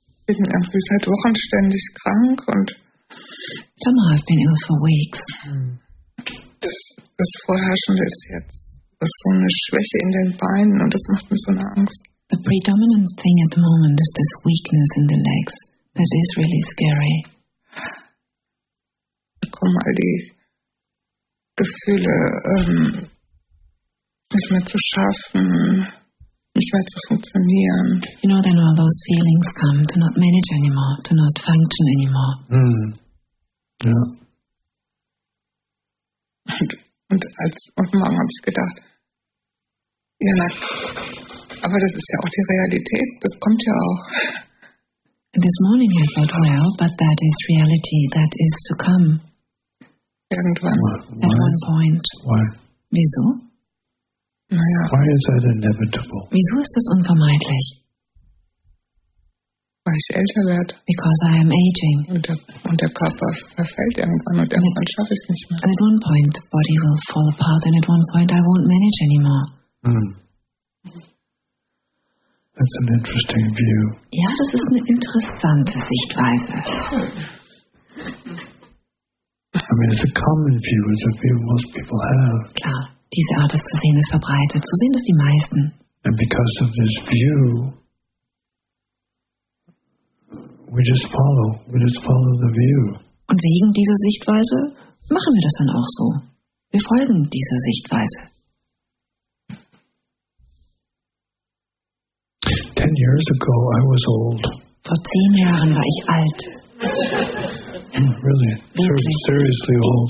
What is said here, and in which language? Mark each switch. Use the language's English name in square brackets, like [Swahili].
[German] Ich bin irgendwie seit Wochen ständig krank und. [English] Somehow I've been ill for weeks. [German] Das Vorherrschende ist jetzt. Das ist so eine Schwäche in den Beinen und das macht mir so eine Angst. [English] The predominant thing at the moment is this weakness in the legs. That is really scary. [German] Kommen all die Gefühle, nicht mehr zu schaffen, nicht mehr zu funktionieren. [English] You know, then all those feelings come to not manage anymore, to not function anymore. [German] Ja. Und als heute Morgen habe ich gedacht, ja, na, aber das ist ja auch die Realität, das kommt ja auch. [English] This morning I thought, well, but that is reality, that is to come. [German] Irgendwann. [English] Why? At one point. Why? [German] Wieso? Naja. [English] Why is that inevitable? [German] Wieso ist das unvermeidlich? Weil ich älter werde. [English] Because I am aging. [German] Und der Körper verfällt irgendwann und irgendwann schaffe ich es nicht mehr. [English] And at one point the body will fall apart and at one point I won't manage anymore. That's an interesting view. [German] Ja, das ist eine interessante Sichtweise. [English] I mean, it's a common view, it's a view most people have. [German] Klar, diese Art des Zusehens ist verbreitet. So sehen das die meisten. [English] And because of this view, we just follow the view. [German] Und wegen dieser Sichtweise machen wir das dann auch so. Wir folgen dieser Sichtweise. [English] 10 years ago, I was old. [German] Vor 10 Jahren war ich alt. [English] Really? Seriously old.